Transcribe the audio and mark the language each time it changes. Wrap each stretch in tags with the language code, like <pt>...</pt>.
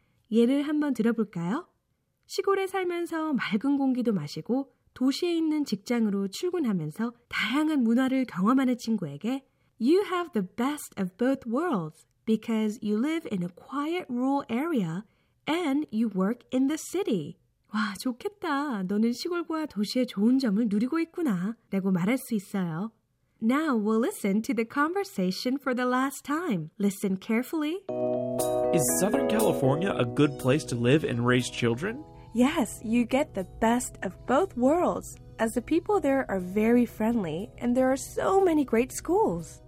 <ko>예를 한번 들어볼까요? 시골에 살면서 맑은 공기도 마시고 도시에 있는 직장으로 출근하면서 다양한 문화를 경험하는 친구에게</ko> <en>You have the best of both worlds. Because you live in a quiet rural area and you work in the city.</en> <ko>와, 좋겠다. 너는 시골과 도시의 좋은 점을 누리고 있구나. 라고 말할 수 있어요.</ko> <en>Now we'll listen to the conversation for the last time. Listen carefully. Is Southern California a good place to live and raise children? Yes, you get the best of both worlds, as the people there are very friendly and there are so many great schools.</en>